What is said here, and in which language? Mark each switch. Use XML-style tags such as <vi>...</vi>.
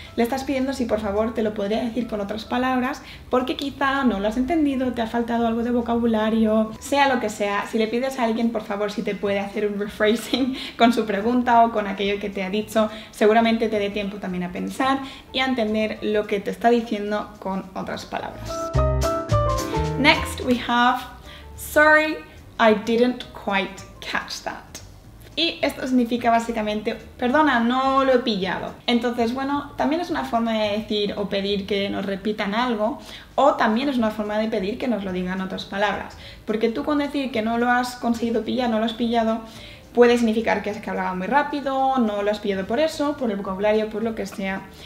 <es>Le estás pidiendo si por favor te lo podría decir con otras palabras, porque quizá no lo has entendido, te ha faltado algo de vocabulario, sea lo que sea. Si le pides a alguien, por favor, si te puede hacer un rephrasing con su pregunta o con aquello que te ha dicho, seguramente te dé tiempo también a pensar y a entender lo que te está diciendo con otras palabras.</es> <en>Next, we have, sorry, I didn't quite catch that.</en> <es>Y esto significa básicamente, perdona, no lo he pillado. Entonces, bueno, también es una forma de decir o pedir que nos repitan algo, o también es una forma de pedir que nos lo digan otras palabras. Porque tú con decir que no lo has conseguido pillar, no lo has pillado, puede significar que es que hablaba muy rápido, no lo has pillado por eso, por el vocabulario, por lo que sea.</es>